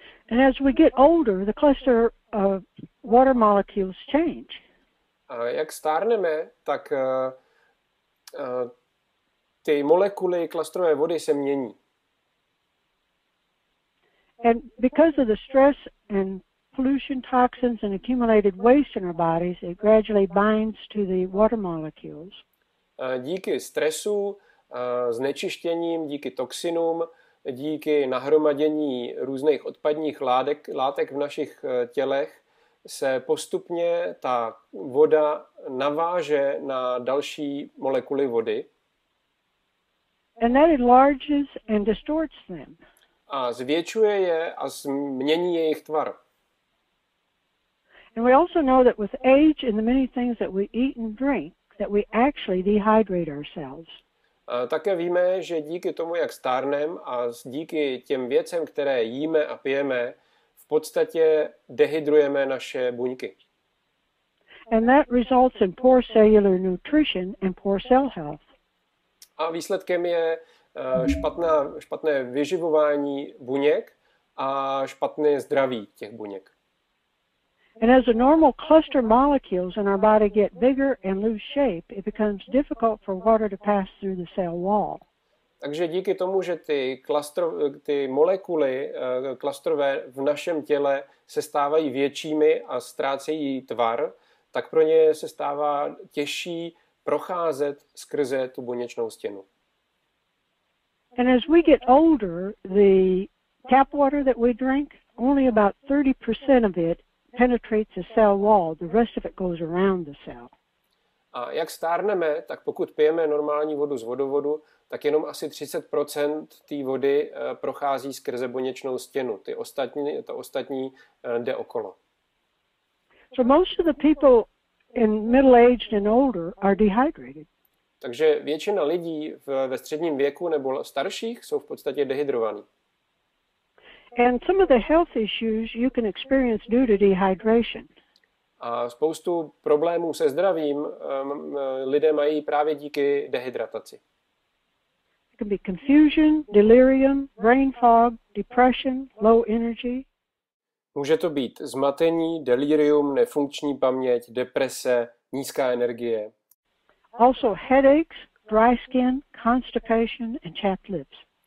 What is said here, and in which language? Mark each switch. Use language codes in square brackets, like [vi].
[en] And as we get older, the cluster of water molecules change. [cs] A jak stárneme, tak ty molekuly klastrové vody se mění. [en] And because of the stress and pollution, toxins and accumulated waste in our bodies, it gradually binds to the water molecules. [cs] Díky stresu, znečištěním, díky toxinům, díky nahromadění různých odpadních látek v našich tělech se postupně ta voda naváže na další molekuly vody. [en] And that enlarges and distorts them. [cs] A zvětšuje je a změní jejich tvar. [en] And we also know that with age and the many things that we eat and drink, that we actually dehydrate ourselves. [cs] Také víme, že díky tomu, jak stárneme a díky těm věcem, které jíme a pijeme, v podstatě dehydrujeme naše buňky. [en] And that results in poor cellular nutrition and poor cell health. [cs] A výsledkem je špatné vyživování buněk a špatné zdraví těch buněk. [en] And as the normal cluster molecules in our body get bigger and lose shape, it becomes difficult for water to pass through the cell wall. [cs] Takže díky tomu, že ty molekuly klastrové v našem těle se stávají většími a ztrácejí tvar, tak pro ně se stává těžší procházet skrze tu buněčnou stěnu. [en] And as we get older, the tap water that we drink, only about 30% of it penetrates the cell wall, the rest of it goes around the cell. [cs] A jak stárneme, tak pokud pijeme normální vodu z vodovodu, tak jenom asi 30% té vody prochází skrze buněčnou stěnu. To ostatní jde okolo. [en] So most of the people in middle-aged and older are dehydrated. [cs] Takže většina lidí ve středním věku nebo starších jsou v podstatě dehydrovaní. [en] And some of the health issues you can experience due to dehydration. [cs] A spoustu problémů se zdravím lidé mají právě díky dehydrataci. [en] It can be confusion, delirium, brain fog, depression, low energy. [cs] Může to být zmatení, delirium, nefunkční paměť, deprese, nízká energie. [en] Also headaches, dry skin, constipation and chapped lips.